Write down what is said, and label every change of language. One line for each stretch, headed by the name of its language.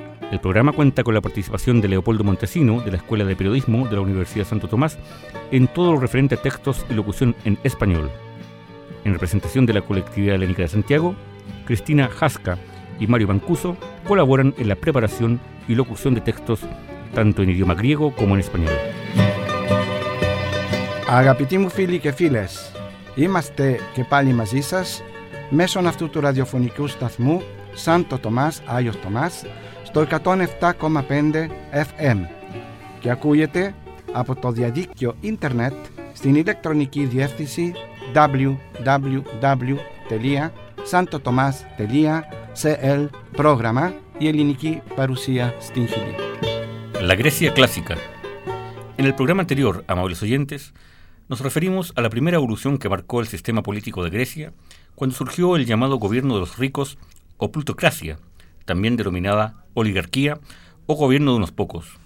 Spanish: El programa cuenta con la participación de Leopoldo Montesino, de la Escuela de Periodismo de la Universidad Santo Tomás, en todo lo referente a textos y locución en español. En representación de la Colectividad Helénica de Santiago, Cristina Jasca y Mario Mancuso colaboran en la preparación y locución de textos, tanto en idioma griego como en español.
Greek: Αγαπητοί φίλοι και φίλες, είμαστε και πάλι μαζί σας μέσω αυτού του ραδιοφωνικού σταθμού Σάντο Τομάς, Άγιος Τομάς, στο 107,5 FM και ακούγεται από το διαδίκτυο ίντερνετ στην ηλεκτρονική διεύθυνση www.santotomas.cl πρόγραμμα η ελληνική παρουσία στην Χιλή.
Spanish: La Grecia clásica. En el programa anterior, amables oyentes, nos referimos a la primera evolución que marcó el sistema político de Grecia cuando surgió el llamado gobierno de los ricos o plutocracia, también denominada oligarquía o gobierno de unos pocos.